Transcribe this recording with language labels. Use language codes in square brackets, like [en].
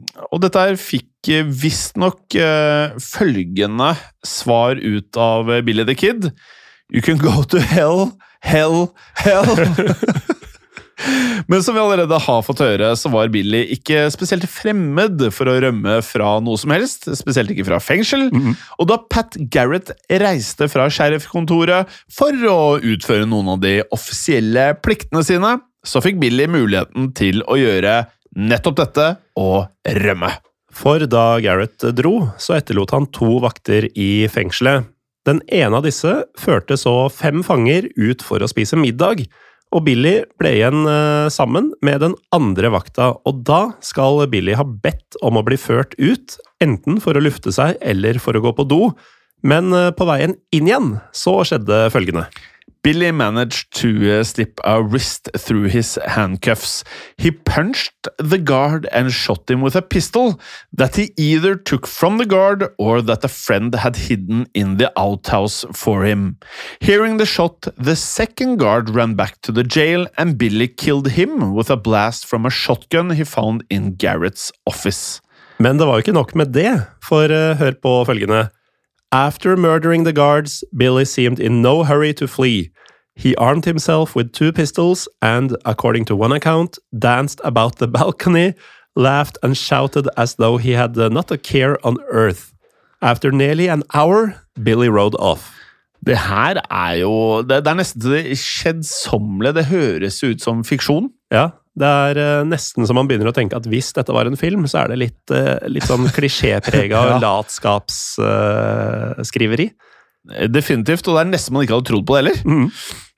[no] Og dette her fikk visst nok følgende svar ut av Billy the Kid. [en] You can go to hell, hell, hell. [no] Men som vi allerede har fått høre, så var Billy ikke spesielt fremmed for å rømme fra noe som helst, spesielt ikke fra fengsel. Mm-hmm. Og da Pat Garrett reiste fra sheriffkontoret for å utføre noen av de offisielle pliktene sine, så fikk Billy muligheten til å gjøre nettopp dette og rømme. For da Garrett dro, så etterlot han 2 vakter I fengselet. Den ene av disse førte så 5 fanger ut for å spise middag, og Billy ble igjen sammen med den andre vakta, og da skal Billy ha bedt om å bli ført ut, enten for å lufte seg eller for å gå på do. Men på veien inn igjen, så skjedde følgende. [en] Billy managed to slip a wrist through his handcuffs. He punched the guard and shot him with a pistol that he either took from the guard or that a friend had hidden in the outhouse for him. Hearing the shot, the second guard ran back to the jail and Billy killed him with a blast from a shotgun he found in Garrett's office. [no] Men det var jo ikke nok med det, for hør på følgende. [en] After murdering the guards, Billy seemed in no hurry to flee. He armed himself with 2 pistols and, according to one account, danced about the balcony, laughed and shouted as though he had not a care on earth. After nearly an hour, Billy rode off. [no] Det her jo... Det nesten skjedsommelig. Det høres ut som fiksjon. Ja, det nesten som man begynner å tenke at hvis dette var en film, så det litt, litt sånn klisjépreget ja. Latskapsskriveri. Definitivt, og det nesten man ikke hadde trodd på det heller. Mm.